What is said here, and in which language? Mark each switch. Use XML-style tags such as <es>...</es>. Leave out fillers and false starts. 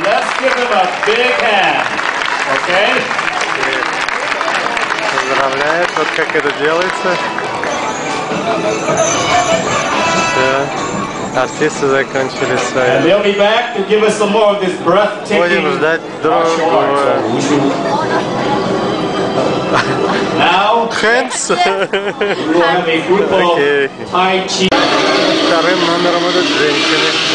<en>Let's give him a big hand. Okay? Yeah.</en> <ru>поправляет, вот как это делается. Все. Артисты закончили свои.</ru> <en>And they'll be back to give us some more of this breathtaking.</en> <ru>Будем ждать другого.</ru> <en>Now, hands. We will have a group of Tai Chi.</en> <ru>Вторым номером будут женщины.</ru>